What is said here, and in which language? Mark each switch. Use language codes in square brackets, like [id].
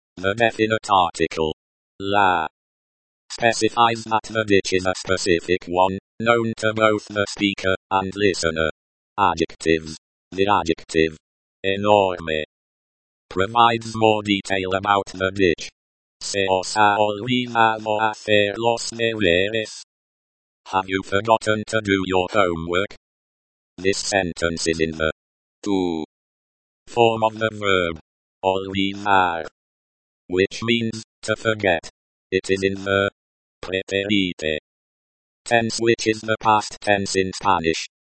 [en] The definite article la specifies that the ditch is a specific one, known to both the speaker and listener. Adjectives. The adjective enorme provides more detail about the ditch. [es] Se os ha olvidado hacer los deberes. [en] Have you forgotten to do your homework? This sentence is in the to form of the verb olvidar, which means to forget. It is in the preterite tense, which is the past tense in Spanish.